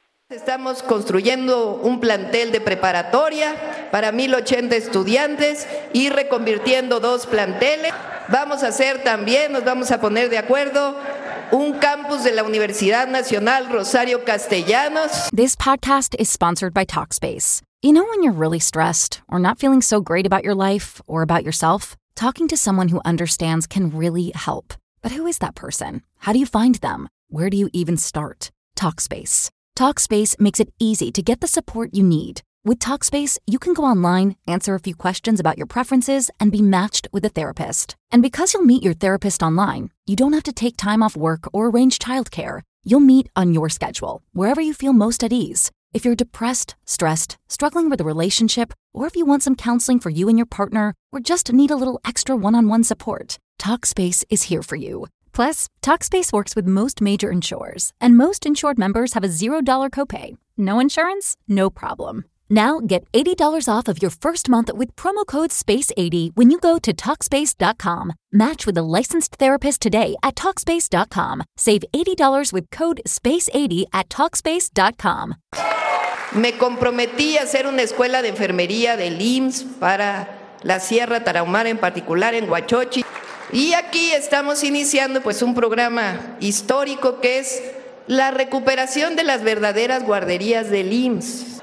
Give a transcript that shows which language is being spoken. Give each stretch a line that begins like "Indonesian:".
Spanish: Estamos construyendo un plantel de preparatoria para 1,080 estudiantes y reconvirtiendo dos planteles. Vamos a hacer también, nos vamos a poner de acuerdo, un campus de la Universidad Nacional Rosario Castellanos.
English: This podcast is sponsored by Talkspace. You know when you're really stressed or not feeling so great about your life or about yourself? Talking to someone who understands can really help. But who is that person? How do you find them? Where do you even start? Talkspace. Talkspace makes it easy to get the support you need. With Talkspace, you can go online, answer a few questions about your preferences, and be matched with a therapist. And because you'll meet your therapist online, you don't have to take time off work or arrange childcare. You'll meet on your schedule, wherever you feel most at ease. If you're depressed, stressed, struggling with a relationship, or if you want some counseling for you and your partner, or just need a little extra one-on-one support, Talkspace is here for you. Plus, Talkspace works with most major insurers, and most insured members have a $0 copay. No insurance? No problem. Now, get $80 off of your first month with promo code SPACE80 when you go to Talkspace.com. Match with a licensed therapist today at Talkspace.com. Save $80 with code SPACE80 at Talkspace.com.
Spanish: Me comprometí a hacer una escuela de enfermería del IMSS para la Sierra Tarahumara, en particular en Huachochi. Y aquí estamos iniciando pues un programa histórico que es la recuperación de las verdaderas guarderías del IMSS.